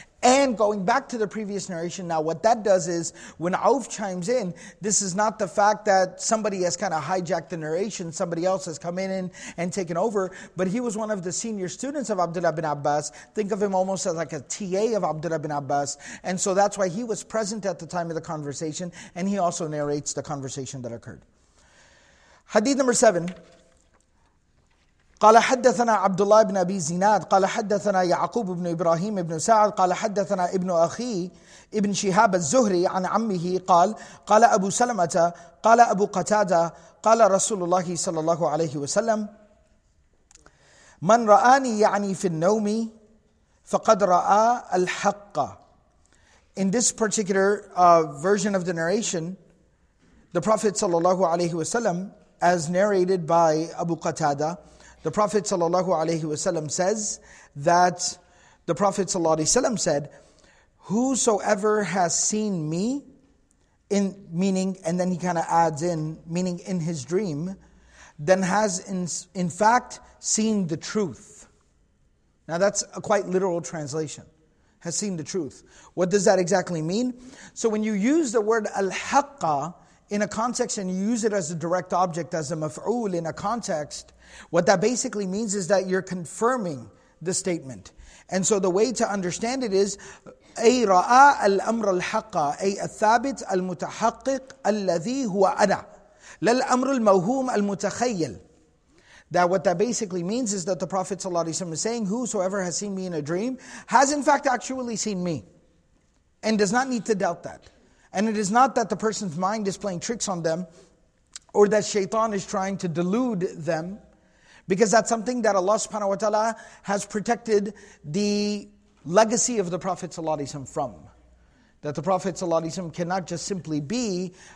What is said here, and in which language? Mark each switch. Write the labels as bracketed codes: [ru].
[en] And going back to the previous narration, now what that does is, when Auf chimes in, this is not the fact that somebody has kind of hijacked the narration, somebody else has come in and taken over, but he was one of the senior students of Abdullah ibn Abbas. Think of him almost as like a TA of Abdullah ibn Abbas. And so that's why he was present at the time of the conversation, and he also narrates the conversation that occurred. Hadith number 7. [ar] قال حدثنا عبد الله بن أبي زناد قال حدثنا يعقوب بن إبراهيم بن سعد قال حدثنا ابن أخي ابن شهاب الزهري عن عمه قال قال أبو سلمة قال أبو قتادة قال رسول الله صلى الله عليه وسلم من رآني يعني في النوم فقد رأى الحق. [en] In this particular version of the narration, the Prophet [ar] صلى الله عليه وسلم, [en] as narrated by Abu Qatada, the Prophet ﷺ says that, the Prophet ﷺ said, whosoever has seen me, in meaning, and then he kind of adds in, meaning in his dream, then has in fact seen the truth. Now that's a quite literal translation, has seen the truth. What does that exactly mean? So when you use the word al-haqqa in a context and you use it as a direct object, as a maf'ul in a context, what that basically means is that you're confirming the statement. And so the way to understand it is, [ar] أي رآ الأمر الحق أي الثابت المتحقق الذي هو أنا للأمر الموهوم المتخيل. [en] That what that basically means is that the Prophet ﷺ is saying, whosoever has seen me in a dream has in fact actually seen me, and does not need to doubt that. And it is not that the person's mind is playing tricks on them, or that shaitan is trying to delude them, because that's something that Allah subhanahu wa ta'ala has protected the legacy of the Prophet ﷺ from. That the Prophet ﷺ cannot just simply be,